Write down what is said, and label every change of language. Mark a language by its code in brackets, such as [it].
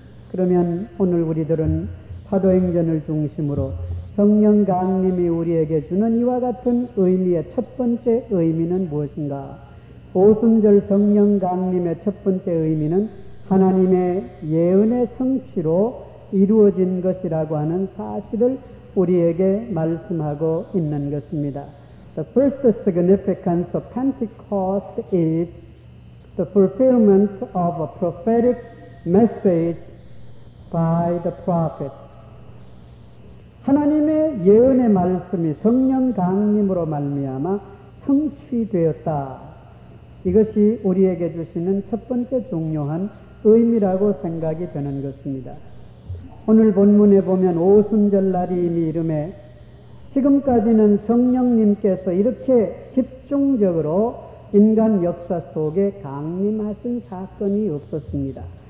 [ko] 그러면 오늘 우리들은 사도행전을 중심으로 성령강림이 우리에게 주는 이와 같은 의미의 첫 번째 의미는 무엇인가? 오순절 성령강림의 첫 번째 의미는 하나님의 예언의 성취로 이루어진 것이라고 하는 사실을 우리에게 말씀하고 있는 것입니다. [en] The first significance of Pentecost is the fulfillment of a prophetic message by the prophet. [ko] 하나님의 예언의 말씀이 성령 강림으로 말미암아 성취되었다. 이것이 우리에게 주시는 첫 번째 중요한 의미라고 생각이 되는 것입니다. 오늘 본문에 보면 오순절날이 이미 이르매, 지금까지는 성령님께서 이렇게 집중적으로 인간 역사 속에 강림하신 사건이 없었습니다.